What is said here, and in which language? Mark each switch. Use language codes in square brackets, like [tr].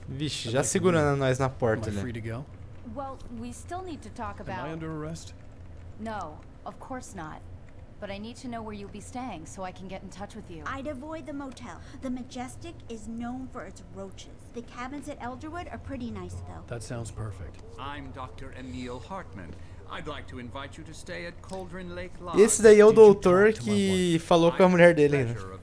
[pt] Vixe, já segurando nós na porta, né? [en] Well, we still need to talk about... Am I under arrest? No, of course not. But I need to know where you'll be staying so I can get in touch with you. I'd avoid the motel. The Majestic is known for its roaches. The cabins at Elderwood are pretty nice, though. That sounds perfect. I'm Dr. Emil Hartman. I'd like to invite you to stay at Cauldron Lake Lodge. [pt] Esse daí é o doutor que falou com a mulher dele, né?